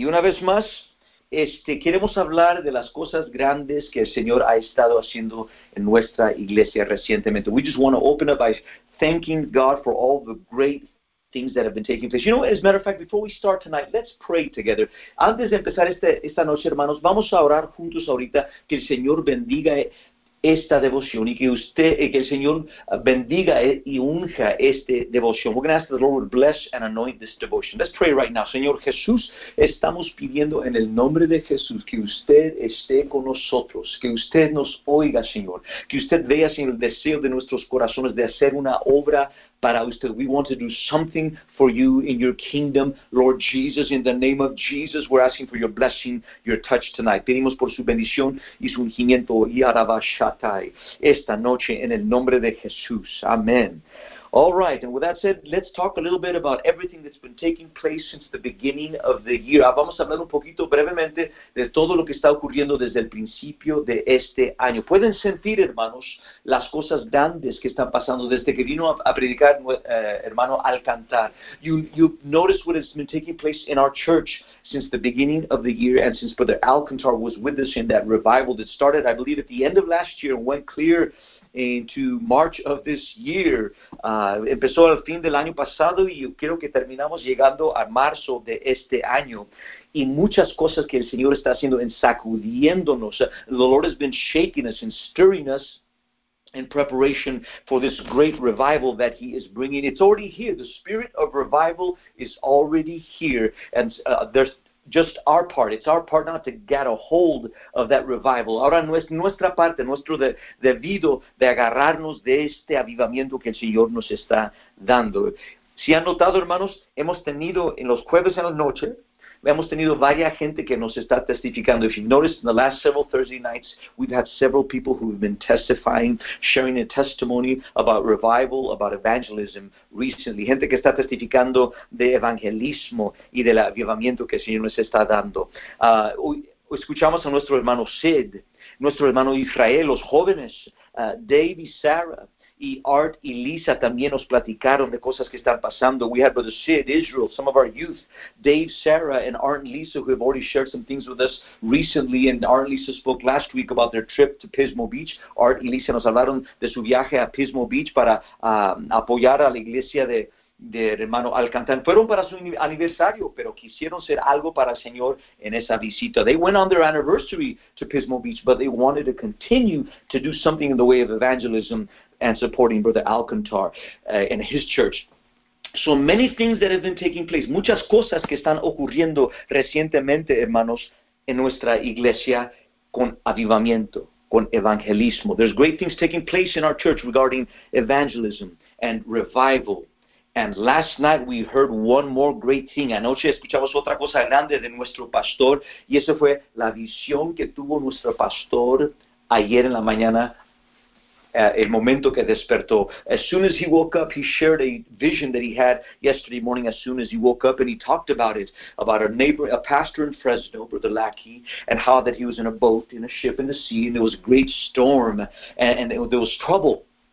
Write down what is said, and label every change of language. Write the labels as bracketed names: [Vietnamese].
[Spanish] Y una vez más, queremos hablar de las cosas grandes que el Señor ha estado haciendo en nuestra iglesia recientemente. [English] We just want to open up by thanking God for all the great things that have been taking place. You know, as a matter of fact, before we start tonight, let's pray together. [Spanish] Antes de empezar esta noche, hermanos, vamos a orar juntos ahorita que el Señor bendiga esta devoción y que que el Señor bendiga y unja este devoción. [English] We're going to ask the Lord bless and anoint this devotion. Let's pray right now. [Spanish] Señor Jesús, estamos pidiendo en el nombre de Jesús que usted esté con nosotros, que usted nos oiga, Señor, que usted vea, Señor, el deseo de nuestros corazones de hacer una obra para usted. [English] We want to do something for you in your kingdom, Lord Jesus. In the name of Jesus, we're asking for your blessing, your touch tonight. [Spanish] Pedimos por su bendición y su ungimiento, Yarabashatai, esta noche en el nombre de Jesús. [English] Amen. All right, and with that said, let's talk a little bit about everything that's been taking place since the beginning of the year. [Spanish] Vamos a hablar un poquito brevemente de todo lo que está ocurriendo desde el principio de este año. ¿Pueden sentir, hermanos, las cosas grandes que están pasando desde que vino a predicar, hermano Alcantar? [English] You notice what has been taking place in our church since the beginning of the year and since Brother Alcantar was with us in that revival that started, I believe, at the end of last year and went clear into March of this year. [Spanish] Empezó al fin del año pasado y yo creo que terminamos llegando a marzo de este año. Y muchas cosas que el Señor está haciendo en sacudiéndonos. [English] The Lord has been shaking us and stirring us in preparation for this great revival that He is bringing. It's already here. The spirit of revival is already here. And there's just our part. It's our part now to get a hold of that revival. [Spanish] Ahora nuestra parte, nuestro debido de agarrarnos de este avivamiento que el Señor nos está dando. Si han notado, hermanos, hemos tenido en los jueves en la noche, hemos tenido varias gente que nos está testificando. [English] If you noticed, in the last several Thursday nights, we've had several people who have been testifying, sharing a testimony about revival, about evangelism recently. [Spanish] Gente que está testificando de evangelismo y del avivamiento que el Señor nos está dando. Escuchamos a nuestro hermano Sid, nuestro hermano Israel, los jóvenes, Dave y Sarah. Y Art y Lisa también nos platicaron de cosas que están pasando. [English] We had Brother Sid, Israel, some of our youth, Dave, Sarah, and Art and Lisa, who have already shared some things with us recently. And Art and Lisa spoke last week about their trip to Pismo Beach. [Spanish] Art y Lisa nos hablaron de su viaje a Pismo Beach para apoyar a la iglesia de hermano Alcantar. Fueron para su aniversario, pero quisieron ser algo para el Señor en esa visita. [English] They went on their anniversary to Pismo Beach, but they wanted to continue to do something in the way of evangelism and supporting Brother Alcantar and his church. So many things that have been taking place. [Spanish] Muchas cosas que están ocurriendo recientemente, hermanos, en nuestra iglesia con avivamiento, con evangelismo. [English] There's great things taking place in our church regarding evangelism and revival. And last night we heard one more great thing. [Spanish] Anoche escuchamos otra cosa grande de nuestro pastor. Y esa fue la visión que tuvo nuestro pastor ayer en la mañana. El momento que despertó. [English] As soon as he woke up, he shared a vision that he had yesterday morning as soon as he woke up, and he talked about it, about a neighbor, a pastor in Fresno, Brother Lackey, and how that he was in a boat, in a ship, in the sea, and there was a great storm, and there was trouble.